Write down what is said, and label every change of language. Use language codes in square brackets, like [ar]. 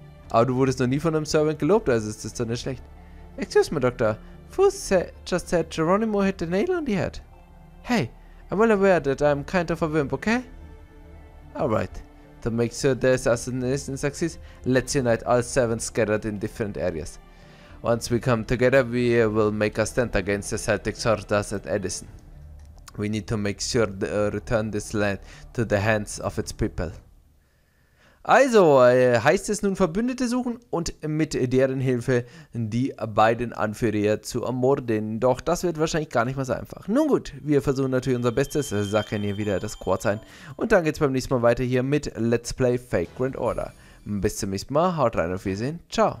[de] Aber du wurdest noch nie von einem Servant gelobt, also ist das doch nicht schlecht. [en] Excuse me, Doctor. Just said Geronimo hit the nail on the head. Hey, I'm well aware that I'm kind of a wimp, okay? Alright. To make sure the assassination succeeds, let's unite all servants scattered in different areas. Once we come together, we will make a stand against the Celtic soldiers at Edison. We need to make sure to return this land to the hands of its people. [de] Also, heißt es nun Verbündete suchen und mit deren Hilfe die beiden Anführer zu ermorden. Doch das wird wahrscheinlich gar nicht mal so einfach. Nun gut, wir versuchen natürlich unser Bestes, sacken hier wieder das Quartz ein. Und dann geht's beim nächsten Mal weiter hier mit Let's Play Fake Grand Order. Bis zum nächsten Mal, haut rein und auf Wiedersehen, ciao.